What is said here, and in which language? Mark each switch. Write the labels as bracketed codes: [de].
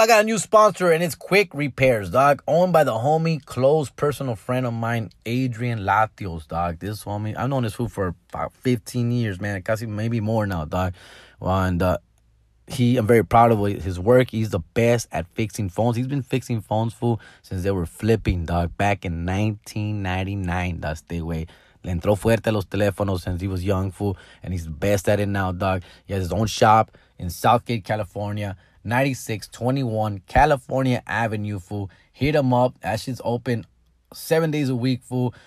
[en] I got a new sponsor, and it's Quick Repairs, dog. Owned by the homie, close personal friend of mine, Adrian Latios, dog. This homie, I've known this fool for about 15 years, man. Casi maybe more now, dog. And I'm very proud of his work. He's the best at fixing phones. He's been fixing phones, fool, since they were flipping, dog, back in 1999. That's the way. [es] Le entró fuerte a los teléfonos [en] since he was young, fool. And he's best at it now, dog. He has his own shop in Southgate, California. 9621 California Avenue, fool. Hit him up. That shit's open 7 days a week, fool.